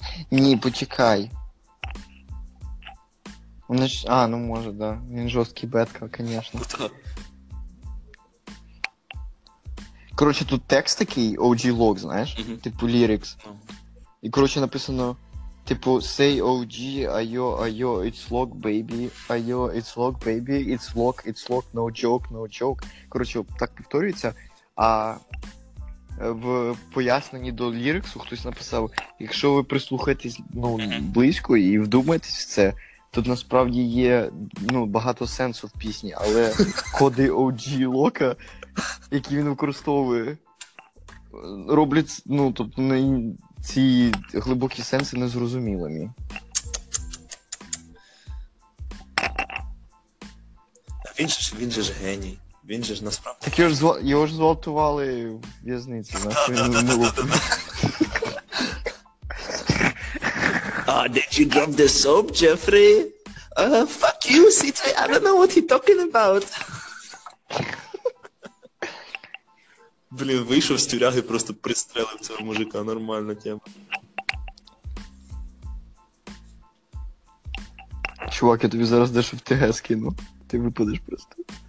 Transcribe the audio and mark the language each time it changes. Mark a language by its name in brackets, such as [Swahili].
[Ukrainian] Ні, почекай. Вони ж... А, ну може, да. Він жорсткий бетка, звісно. Коротше, тут текст такий, OG Lock, знаєш? Mm-hmm. Типу lyrics. Mm-hmm. І коротше написано, типу, [English] say OG, айо, айо, it's lock, baby, айо, it's lock, baby, it's lock, no joke, no joke. [Ukrainian] Коротше, так повторюється. А в поясненні до ліриксу хтось написав, якщо ви прислухаєтесь, ну, близько і вдумаєтесь в це, тут насправді є, ну, багато сенсу в пісні, але коди OG Лока, які він використовує, роблять, ну, тобто, не, ці глибокі сенси незрозумілими. Він же ж геній. Він же ж насправді. Так його ж, його ж зґвалтували в в'язниці. [English] Did you drop the soap, Jeffrey? Fuck you, CJ, I don't know what he's talking about. [Ukrainian] Блін, вийшов з тюряги, просто пристрелив цього мужика, нормальна тема. Чувак, я тобі зараз дещо в ТГ скину, ти випадеш просто.